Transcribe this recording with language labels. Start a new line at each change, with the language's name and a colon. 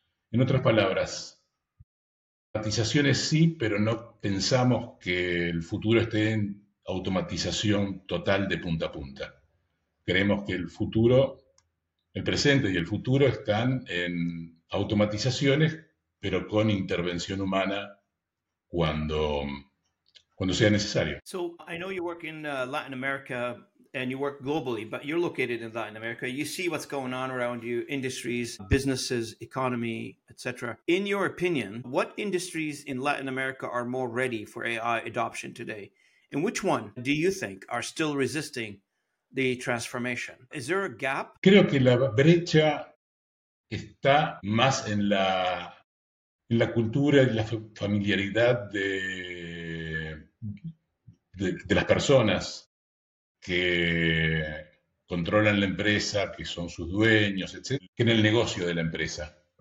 Spanish: En otras palabras, automatizaciones sí, pero no pensamos que el futuro esté en automatización total de punta a punta. Creemos que el futuro, el presente y el futuro están en automatizaciones, pero con intervención humana cuando sea necesario.
English: So I know you work in Latin America and you work globally, but you're located in Latin America. You see what's going on around you, industries, businesses, economy, etc. In your opinion, what industries in Latin America are more ready for AI adoption today? And which one do you think are still resisting the transformation? Is there a gap?
Spanish: Creo que la brecha está más en la cultura y la familiaridad de las personas que controlan la empresa, que son sus dueños, etc., que en el negocio de la empresa.